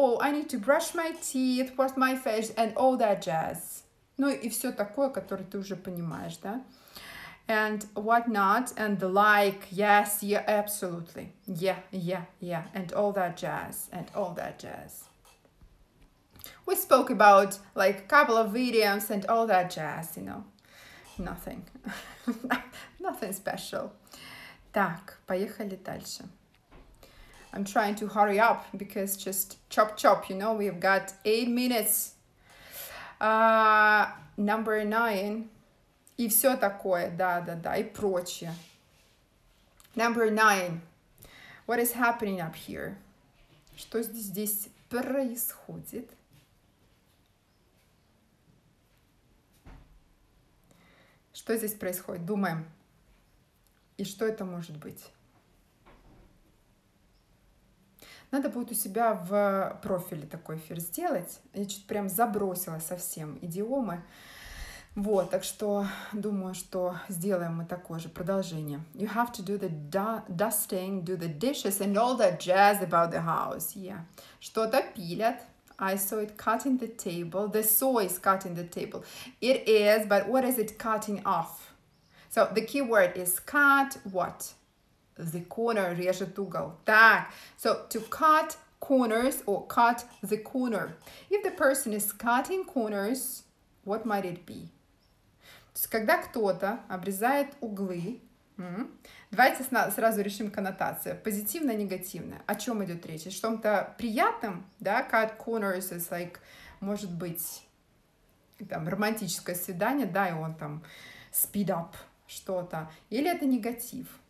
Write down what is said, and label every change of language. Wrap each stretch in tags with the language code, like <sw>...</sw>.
<en>Oh, I need to brush my teeth, wash my face, and all that jazz.</en> <ru>Ну и все такое, которое ты уже понимаешь, да?</ru> <en>And what not, and the like, yes, yeah, absolutely, yeah, yeah, yeah, and all that jazz, and all that jazz. We spoke about, like, a couple of idioms and all that jazz, you know, nothing, nothing special.</en> <ru>Так, поехали дальше.</ru> <en>I'm trying to hurry up, because just chop, chop, you know, we've got 8 minutes. Number 9.</en> <ru>И все такое, да-да-да, и прочее.</ru> <en>Number 9. What is happening up here?</en> <ru>Что здесь происходит? Что здесь происходит? Думаем. И что это может быть? Надо будет у себя в профиле такой эфир сделать. Я чуть прям забросила совсем идиомы. Вот, так что думаю, что сделаем мы такое же продолжение.</ru> <en>You have to do the dusting, do the dishes and all that jazz about the house. Yeah.</en> <ru>Что-то пилят.</ru> <en>I saw it cutting the table. The saw is cutting the table. It is, but what is it cutting off? So the key word is cut what? The corner,</en> <ru>режет угол. Так.</ru> <en>So to cut corners or cut the corner. If the person is cutting corners, what might it be?</en> <ru>Когда кто-то обрезает углы, давайте сразу решим коннотацию. Позитивно, негативно. О чем идет речь? О чем-то приятном, да,</ru> <en>cut corners is like,</en> <ru>может быть, там, романтическое свидание, да, и он там</ru> <en>speed up</en> <ru>что-то. Или это негатив?</ru>